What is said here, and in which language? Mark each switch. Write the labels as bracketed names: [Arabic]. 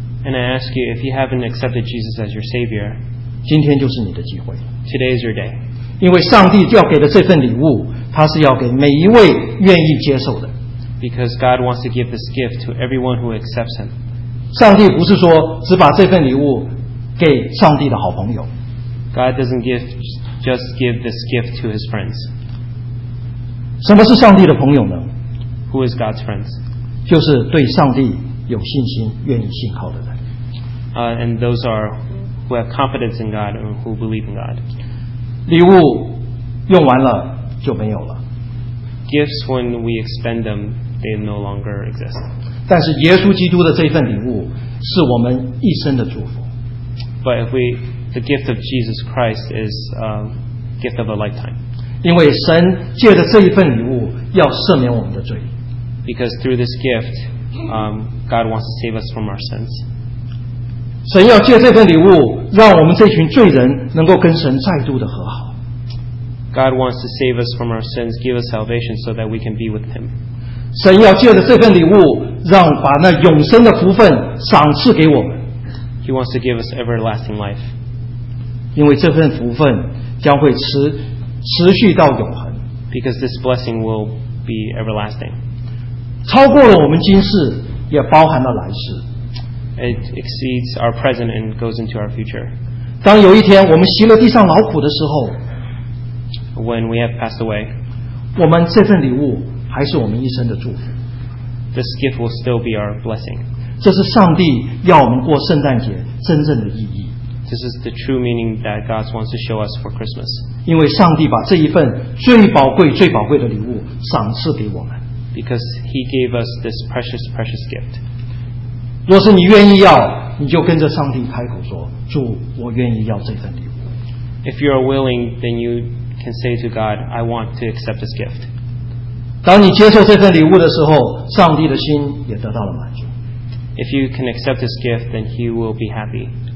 [English] And I ask you, if you haven't accepted Jesus as your Savior, [Chinese] 今天就是你的机会。 [English] Today is your day. [Chinese] 因为上帝要给的这份礼物，他是要给每一位愿意接受的。 [English] Because God wants to give this gift to everyone who accepts him. [Chinese] 上帝不是说只把这份礼物给上帝的好朋友。 [English] God doesn't give, just give this gift to his friends. [Chinese] 什么是上帝的朋友呢？ [English] Who is God's friends? [Chinese] 就是对上帝有信心愿意信靠的人。 [English] And those are who have confidence in God and who believe in God. [Chinese] 礼物用完了就没有了。 [English] Gifts, when we expend them, they no longer exist. [Chinese] 但是耶稣基督的这份礼物是我们一生的祝福。 [English] But if we, the gift of Jesus Christ is a gift of a lifetime. [Chinese] 因为神借着这一份礼物要赦免我们的罪。 [English] Because through this gift, God wants to save us from our sins. [Chinese] 神要借这份礼物让我们这群罪人能够跟神再度的和好。 [English] God wants to save us from our sins, give us salvation so that we can be with him. [Chinese] 神要借着这份礼物让把那永生的福分赏赐给我们。 [English] He wants to give us everlasting life. [Chinese] 因为这份福分将会持续到永恒。 [English] Because this blessing will be everlasting. [Chinese] 超过了我们今世，也包含了来世。 [English] It exceeds our present and goes into our future. [Chinese] 当有一天我们习了地上劳苦的时候， [English] When we have passed away, [Chinese] 我们这份礼物还是我们一生的祝福。 [English] This gift will still be our blessing. [Chinese] 这是上帝要我们过圣诞节真正的意义。 [English] This is the true meaning that God wants to show us for Christmas. [Chinese] 因为上帝把这一份最宝贵最宝贵的礼物赏赐给我们。 [English] Because he gave us this precious, precious gift. [Chinese] 若是你愿意要，你就跟着上帝开口说，主，我愿意要这份礼物。 [English] If you are willing, then you can say to God, I want to accept this gift. [Chinese] 当你接受这份礼物的时候，上帝的心也得到了满足。 [English] If you can accept this gift, then he will be happy.